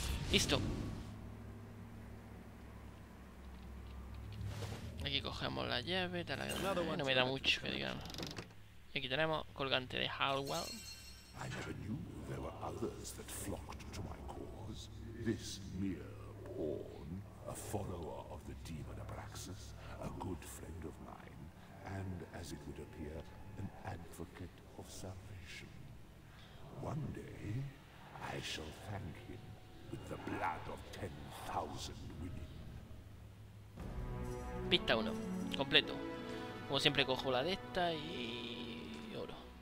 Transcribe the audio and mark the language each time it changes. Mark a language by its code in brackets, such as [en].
[es] Listo. Cogemos la llave, tal vez no me da mucho, que digamos. Y aquí tenemos colgante de Halwell. [en] I never knew there were others that flocked to my cause. This mere pawn, a follower of the demon Abraxas, a good friend of mine, and as it would appear, an advocate of salvation. One day, I shall thank him with the blood of 10,000 women. [es] Pista 1, completo. Como siempre cojo la de esta y oro.